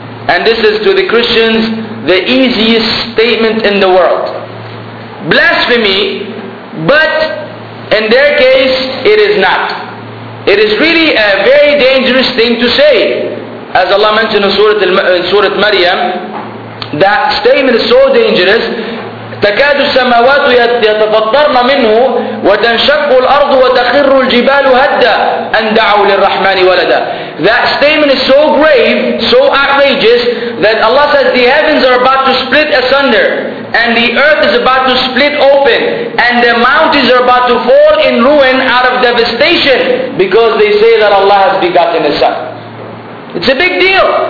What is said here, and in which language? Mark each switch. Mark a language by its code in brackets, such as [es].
[en] And this is to the Christians the easiest statement in the world. Blasphemy, but in their case it is not. It is really a very dangerous thing to say. As Allah mentioned in Surah Maryam, that statement is so dangerous. [ar] تكاد السماوات يتفطرن منه وتنشق الأرض وتخر الجبال هدا أن دعوا للرحمن ولدا. [en] That statement is so grave, so outrageous, that Allah says the heavens are about to split asunder, and the earth is about to split open, and the mountains are about to fall in ruin out of devastation, because they say that Allah has begotten a son. It's a big deal.